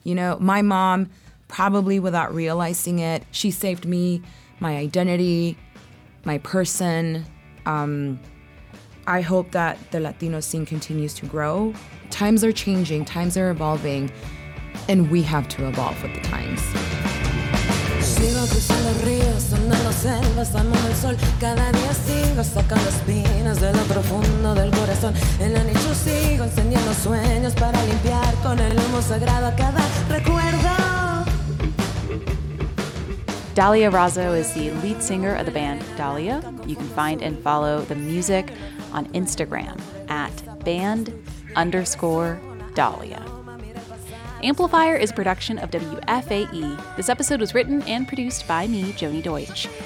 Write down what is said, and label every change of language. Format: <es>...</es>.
<en>You know, my mom, probably without realizing it, she saved me, my identity, my person. I hope that the Latino scene continues to grow. Times are changing, times are evolving, and we have to evolve with the times.</en> <es>Sigo cruzando ríos, sonando selvas, amando el sol. Cada día sigo sacando espinas de lo profundo del corazón. En la noche sigo encendiendo sueños para limpiar con el humo sagrado cada recuerdo.</es> <en>Dahlia Razzo is the lead singer of the band Dahlia. You can find and follow the music on Instagram at band_Dahlia. Amplifier is a production of WFAE. This episode was written and produced by me, Joni Deutsch.</en>